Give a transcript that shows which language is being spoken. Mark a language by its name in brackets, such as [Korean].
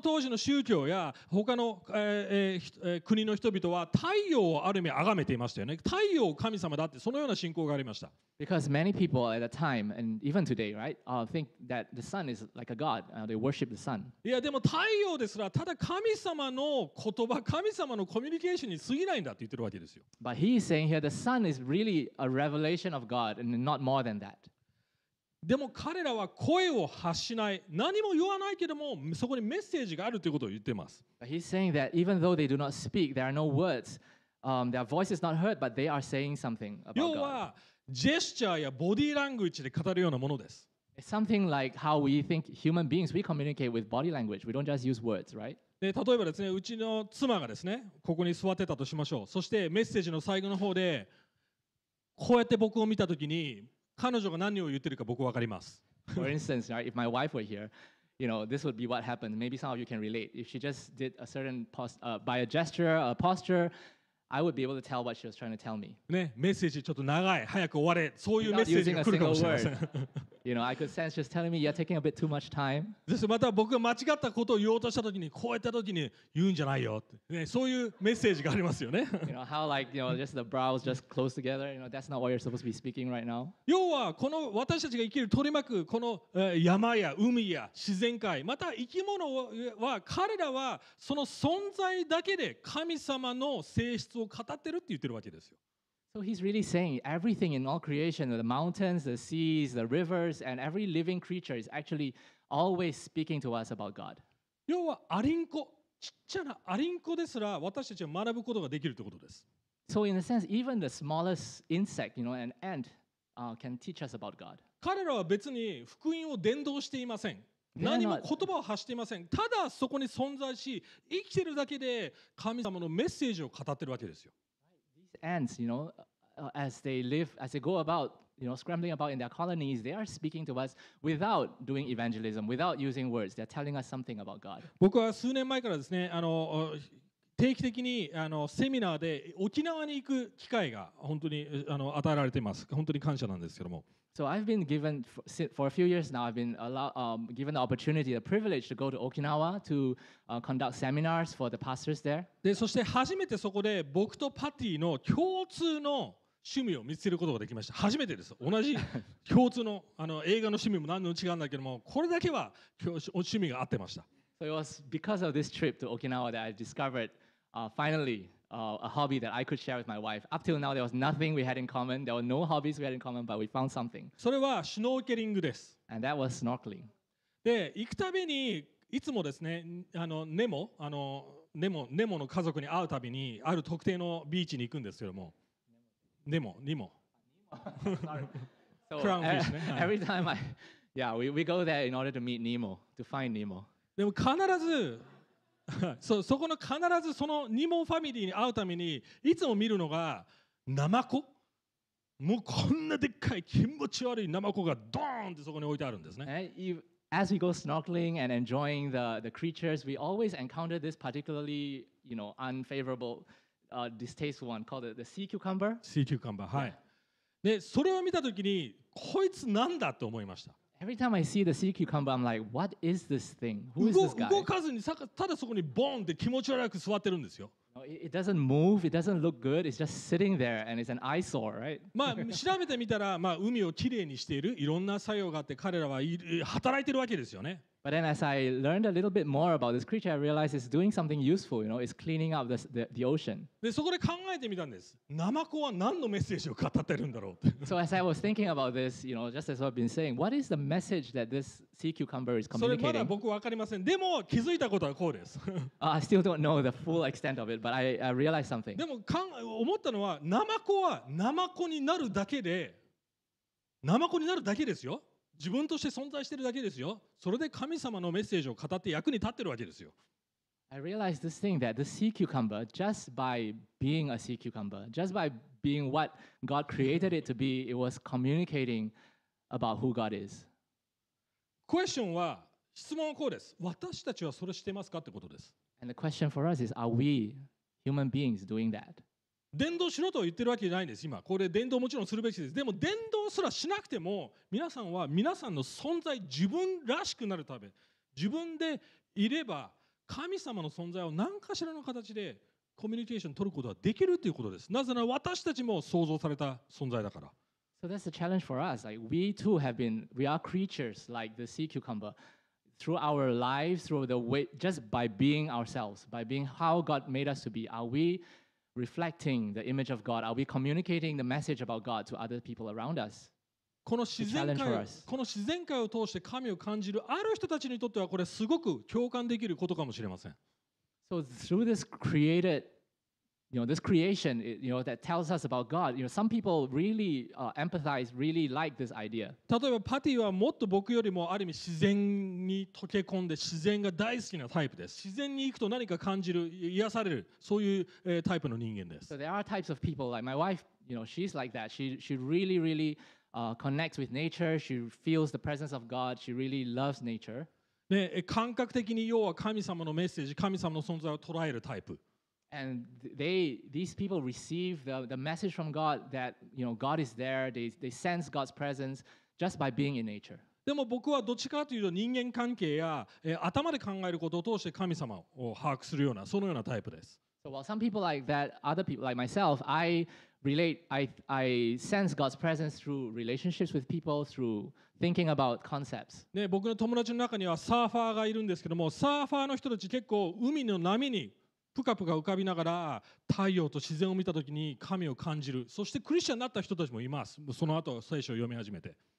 [Japanese] 当時の宗教や他の、国の人々は太陽をある意味崇めていましたよね。太陽を神様だってそのような信仰がありました。 [English] Because many people at the time and even today, right, think that the sun is like a god. They worship the sun. [Japanese] いやでも太陽ですらただ神様の言葉、神様のコミュニケーションに過ぎないんだって言ってるわけですよ。 [English] But he is saying here the sun is really a revelation of God and not more than that. [Japanese] でも彼らは声を発しない、何も言わないけども、そこにメッセージがあるということを言っています。 [English] He's saying that even though they do not speak, there are no words. Their voice is not heard, but they are saying something about God. [Japanese] 要はジェスチャーやボディーラングイッジで語るようなものです。 [English] It's something like how we think human beings, we communicate with body language. We don't just use words, right? [Japanese] で例えばですね、うちの妻がですね、ここに座ってたとしましょう。そしてメッセージの最後の方で、こうやって僕を見たときに、彼女が何を言ってるか僕分かります。 [English] For instance, right, if my wife were here, you know, this would be what happened. Maybe some of you can relate. If she just did a certain by a gesture, a posture, I would be able to tell what she was trying to tell me. [Japanese] ね、メッセージちょっと長い、早く終われ、そういうメッセージが来るかもしれません。 [English] You know, I could sense just telling me you're taking a bit too much time. [Japanese] そしてまた僕が間違ったことを言おうとしたときに、こうやったときに言うんじゃないよって、ね、そういうメッセージがありますよね。 [English] You know, how like, you know, just the brows just close together, you know, that's not what you're supposed to be speaking right now. [Japanese] 要は、この私たちが生きる取り巻くこの山や海や自然界、また生き物は、彼らはその存在だけで神様の性質を語ってるって言ってるわけですよ。 [English] So he's really saying everything in all creation, the mountains, the seas, the rivers, and every living creature is actually always speaking to us about God. [Japanese] 要はアリンコ、ちっちゃなアリンコですら私たちは学ぶことができるということです。 [English] So in a sense, even the smallest insect, you know, an ant, can teach us about God. [Japanese] 彼らは別に福音を伝道していません。何も言葉を発していません。ただそこに存在し、生きているだけで神様のメッセージを語っているわけですよ。 [English] Ants, you know, as they live, as they go about, you know, scrambling about in their colonies, they are speaking to us without doing evangelism, without using words. They're telling us something about God. [Japanese] 僕は数年前からですね、定期的にセミナーで沖縄に行く機会が本当に与えられています。本当に感謝なんですけども。 [English] So I've been given for a few years now. I've been given the opportunity, the privilege to go to Okinawa to conduct seminars for the pastors there. [Japanese] で、そして初めてそこで僕とパティの共通の趣味を見つけることができました。初めてです。同じ共通の映画の趣味も何の違うんだけども、これだけは趣味が合ってました。 [English] So it was because of this trip to Okinawa that I discovered finally. A hobby that I could share with my wife. Up till now, there was nothing we had in common. There were no hobbies we had in common, but we found something. [Japanese] それはシュノーケリングです。 [English] And that was snorkeling. [Japanese] で、行くたびにいつもですね、ネモの家族に会うたびにある特定のビーチに行くんですけども、ネモ。クラウンフィッシュね。 [English] Every time I, yeah, we go there in order to meet Nemo, to find Nemo. [Japanese] でも必ずそこの必ずそのニモファミリーに会うためにいつも見るのがナマコ、もうこんなでっかい気持ち悪いナマコがドーンってそこに置いてあるんですね。 [English] As we go snorkeling and enjoying the creatures, we always encounter this particularly, you know, unfavorable, distasteful one called the sea cucumber. Sea cucumber, [Japanese] はい。で、それを見たときにこいつなんだと思いました。 [English] Every time I see the sea cucumber, I'm like, what is this thing? Who is this guy? [Japanese] 動かずにただそこにボンって気持ち悪く座ってるんですよ。 [English] It doesn't move, it doesn't look good, it's just sitting there and it's an eyesore, right? [Japanese] まあ調べてみたら、まあ海をきれいにしているいろんな作用があって彼らは働いてるわけですよね。 [English] But then as I learned a little bit more about this creature, I realized it's doing something useful, you know, it's cleaning up the ocean. [Japanese] で、そこで考えてみたんです。ナマコは何のメッセージを語ってるんだろう [English] So as I was thinking about this, you know, just as I've been saying, what is the message that this sea cucumber is communicating? [Japanese] それまだ僕分かりません。でも気づいたことはこうです。 [English] I still don't know the full extent of it, but I realized something. [Japanese] でも思ったのは、ナマコはナマコになるだけで、ナマコになるだけですよ。自分として存在してるだけですよ。それで神様のメッセージを語って役に立ってるわけですよ。 [English] I realized this thing that the sea cucumber, just by being a sea cucumber, just by being what God created it to be, it was communicating about who God is. Question [Japanese] は、質問はこうです。私たちはそれしてますかってことです。 [English] And the question for us is, are we human beings doing that? [Japanese] 伝道しろと言ってるわけじゃないんです今これ伝道もちろんするべきですでも伝道すらしなくても皆さんは皆さんの存在自分らしくなるため自分でいれば神様の存在を何かしらの形でコミュニケーション取ることはできるということですなぜなら私たちも創造された存在だから [English] So that's the challenge for us. Like we too have been, we are creatures like the sea cucumber. Through our lives, through the way, just by being ourselves, by being how God made us to be, are we reflecting the image of God? Are we communicating the message about God to other people around us? [Japanese] この自然界、この自然界を通して神を感じるある人たちにとってはこれすごく共感できることかもしれません。 [English] So through this created, you know, this creation, you know, that tells us about God, you know, some people really empathize, really like this idea. [Japanese] 例えばパティはもっと僕よりもある意味自然に溶け込んで自然が大好きなタイプです。自然に行くと何か感じる、癒される、そういうタイプの人間です。 [English] So there are types of people like my wife, you know, she's like that. She really, really connects with nature. She feels the presence of God. She really loves nature. [Japanese] ね、感覚的に要は神様のメッセージ、神様の存在を捉えるタイプ。 [English] And they, these people receive the message from God that, you know, God is there. They sense God's presence just by being in nature. [Japanese] でも僕はどっちかというと人間関係や、頭で考えることを通して神様を把握するような、そのようなタイプです。 [English] So while some people like that, other people like myself, I relate, I sense God's presence through relationships with people, through thinking about concepts. [Japanese] ね、僕の友達の中にはサーファーがいるんですけども、サーファーの人たち結構海の波にぷかぷか浮かびながら太陽と自然を見たときに神を感じる。そしてクリスチャンになった人たちもいます。その後聖書を読み始めて。